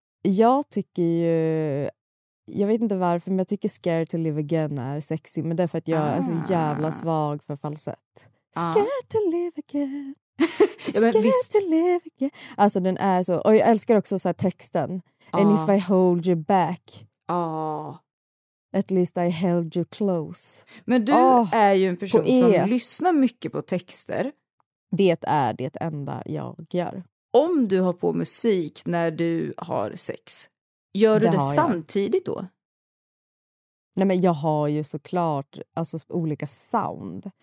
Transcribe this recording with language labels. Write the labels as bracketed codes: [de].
[sv] Jag tycker ju, jag vet inte varför, men jag tycker Scared to Live Again är sexy, men det är för att jag är så jävla svag för falsett. [en] Scared to Live Again. [sv] Ja, men visst. Alltså den är så, och jag älskar också så här texten. [en] And if I hold you back, at least I held you close. [sv] Men du är ju en person som lyssnar mycket på texter. Det är det enda jag gör. Om du har på musik när du har sex, Gör du det samtidigt då? Nej, men jag har ju såklart alltså, olika sound. Uh-huh.